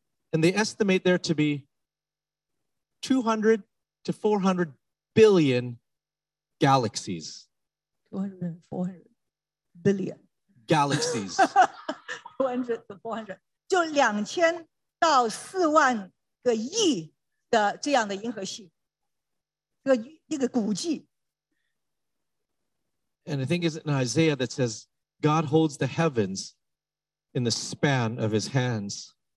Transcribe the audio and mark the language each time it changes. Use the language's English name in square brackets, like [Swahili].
[English] And they estimate there to be 200 to 400 billion galaxies. 200 to 400 billion galaxies. 200 to 400， [Chinese] 就2000到4万个亿的这样的银河系，一个估计。 [English] And I think it's in Isaiah that says, God holds the heavens in the span of his hands.